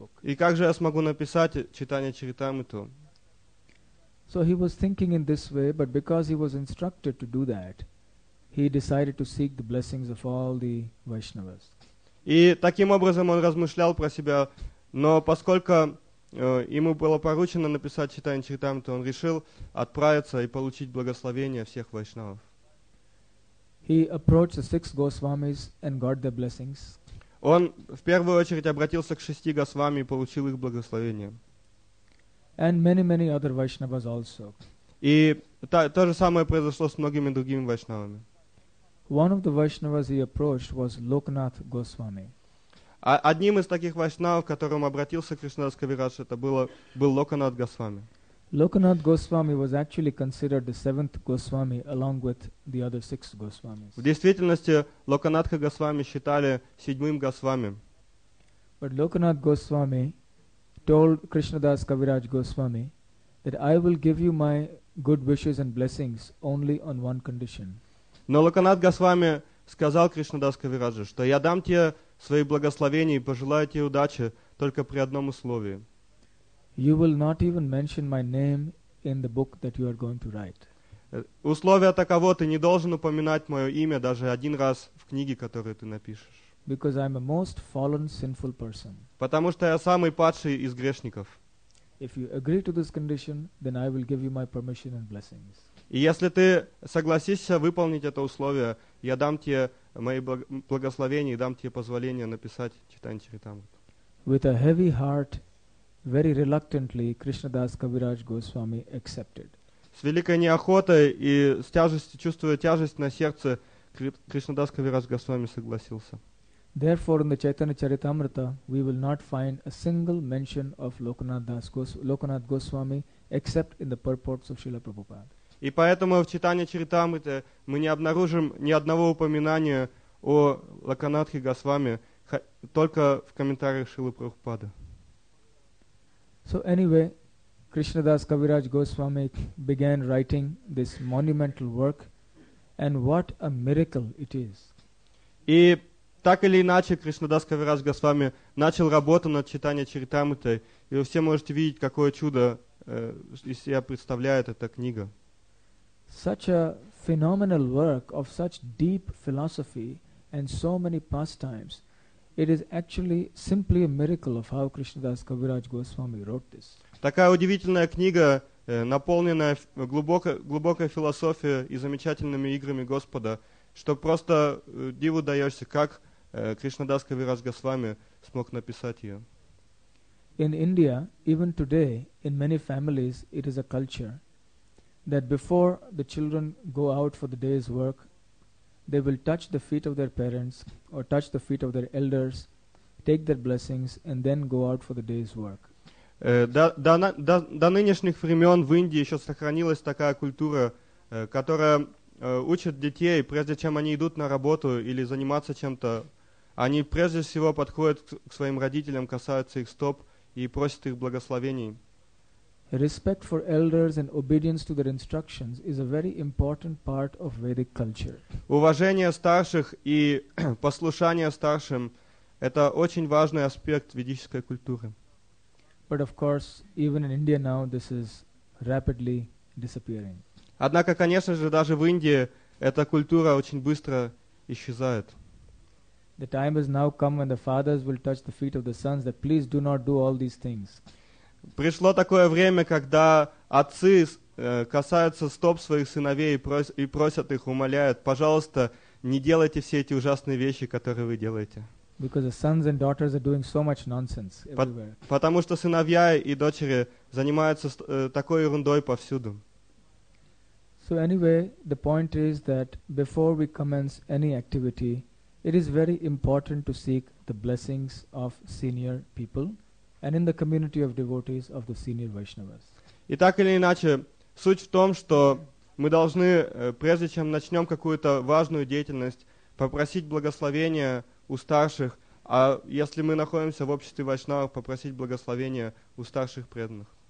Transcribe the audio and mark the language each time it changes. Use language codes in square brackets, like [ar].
[ru] И как же я смогу написать Чайтанья Чаритамриту? [en] So he was thinking in this way, but because he was instructed to do that, he decided to seek the blessings of all the Vaishnavas. [ru] И таким образом он размышлял про себя, но поскольку ему было поручено написать Чайтанья Чаритамриту, он решил отправиться и получить благословение всех вайшнавов. [en] He approached the six Goswamis and got their blessings. [ru] Он в первую очередь обратился к шести Госвами и получил их благословение. [en] And many, many other Vaishnavas also. [ru] И то же самое произошло с многими другими вайшнавами. [en] One of the Vaishnavas he approached was Loknath Goswami. [ru] Одним из таких вайшнавов, к которым обратился Кришнадас Кавирадж, это был Локанат Госвами. [en] Loknath Goswami was actually considered the seventh Goswami along with the other six Goswamis. [ru] В действительности Локанатха Госвами считали седьмым Госвами. [en] But Loknath Goswami told Krishnadas Kaviraj Goswami that I will give you my good wishes and blessings only on one condition. [ru] Но Локанат Госвами сказал Кришнадас Кавираджу, что я дам тебе свои благословения и пожелаю тебе удачи только при одном условии. [en] You will not even mention my name in the book that you are going to write. [ru] Условие таково, ты не должен упоминать мое имя даже один раз в книге, которую ты напишешь. [en] Because I'm a most fallen, sinful person. [ru] Потому что я самый падший из грешников. [en] If you agree to this condition, then I will give you my permission and blessings. [ru] И если ты согласишься выполнить это условие, я дам тебе мои благословения и дам тебе позволение написать Чайтанья Чаритамриту. [en] With a heavy heart, very reluctantly, Krishnadas Kaviraj Goswami accepted. [ru] С великой неохотой и с тяжестью, чувствуя тяжесть на сердце, Кришнадас Кавирадж Госвами согласился. [en] Therefore, in the Chaitanya Charitamrita, we will not find a single mention of Loknath Goswami except in the purports of Srila Prabhupada. [ru] И поэтому в Чайтанья Чаритамрите мы не обнаружим ни одного упоминания о Локанатхе Госвами, только в комментариях Шрилы Прабхупады. [en] So anyway, Krishnadas Kaviraj Goswami began writing this monumental work, and what a miracle it is. [ru] И так или иначе, Кришнадас Кавирадж Госвами начал работу над Чайтанья Чаритамритой, и вы все можете видеть, какое чудо из себя представляет эта книга. [en] Such a phenomenal work of such deep philosophy and so many pastimes. It is actually simply a miracle of how Krishnadas Kaviraj Goswami wrote this. [ru] Такая удивительная книга, наполненная глубокой философией и замечательными играми Господа, что просто диву даешься, как Кришнадас Кавирадж Госвами смог написать ее. [en] In India, even today, in many families, it is a culture that before the children go out for the day's work, they will touch the feet of their parents or touch the feet of their elders, take their blessings, and then go out for the day's work. [ru] До нынешних времен в Индии еще сохранилась такая культура, которая учит детей, прежде чем они идут на работу или заниматься чем-то, Они прежде всего подходят к своим родителям, касаются их стоп и просят их благословений. [en] Respect for elders and obedience to their instructions is a very important part of Vedic culture. [ru] Уважение старших и послушание старшим – это очень важный аспект ведической культуры. [en] But of course, even in India now, this is rapidly disappearing. [ru] Однако, конечно же, даже в Индии эта культура очень быстро исчезает. [en] The time has now come when the fathers will touch the feet of the sons that please do not do all these things. [ru] Пришло такое время, когда отцы касаются стоп своих сыновей и просят их, умоляют, пожалуйста, не делайте все эти ужасные вещи, которые вы делаете. [en] Because the sons and daughters are doing so much nonsense everywhere. [ru] Потому что сыновья и дочери занимаются такой ерундой повсюду. [en] So anyway, the point is that before we commence any activity, it is very important to seek the blessings of senior people and in the community of devotees of the senior Vaishnavas. [ru] И так или иначе, суть в том, что мы должны, прежде чем начнем какую-то важную деятельность, попросить благословения у старших, а если мы находимся в обществе вайшнавов, попросить благословения у старших преданных.